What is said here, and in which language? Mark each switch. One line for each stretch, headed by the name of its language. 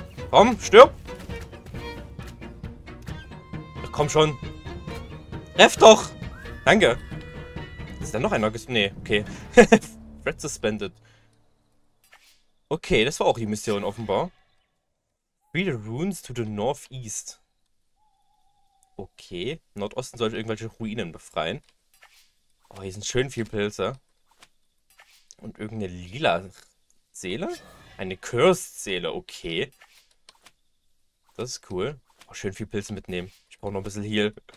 German: Komm, stirb. Ach, komm schon. Treff doch. Danke. Ist da noch einer? Nee, okay.
English: Threat suspended.
German: Okay, das war auch die Mission offenbar.
English: Read the runes to the northeast. Okay.
German: Nordosten sollte irgendwelche Ruinen befreien. Oh, hier sind schön viele Pilze. Und irgendeine lila Seele? Eine cursed Seele, okay. Das ist cool. Oh, schön viel Pilze mitnehmen. Ich brauche noch ein bisschen Heal.